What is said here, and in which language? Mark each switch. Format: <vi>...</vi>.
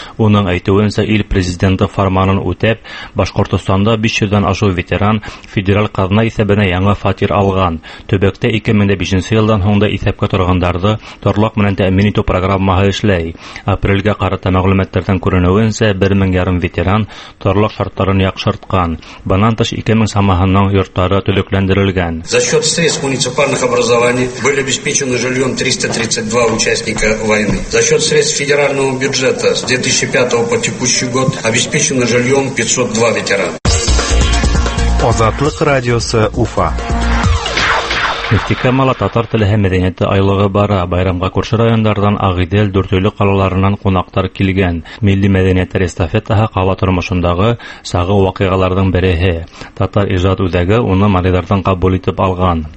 <ba>Уның әйтүенсә, ил президенты фарманын үтәп, Башкортстанда 500-дән ашу ветеран федераль казна исәбенә яңа фатир алган. Төбәктә 2005 елдан һуңда исәпкә торгандарды торлак менән тәэмин итү программаһы эшләй. Апрельгә карата мәгълүматтардан күренүенсә, 1,5 ветеран торлык шартларын яхшырткан. Бынан тыш 2000 самаханның йорттары төлекләндерелгән.</ba> <ru>За счет средств муниципальных образований были обеспечены жильем 332 участника войны. За счет средств федерального бюджета с 2005 по текущий год обеспечено жильем 502 ветерана.</ru> <ba>Азатлык радиосы Уфа. Нефтекамала татар теле һәм мәдәнияте айлыгы бара. Байрамга күрше райондардан Агыдел, Дүртөйлө калаларынан кунактар килгән. Милли мәдәнияте эстафетаһы кала тормышындагы сагы вакыйгаларның береһе. Татар иҗат үзәге уны малайлардан кабул итеп алган.</ba>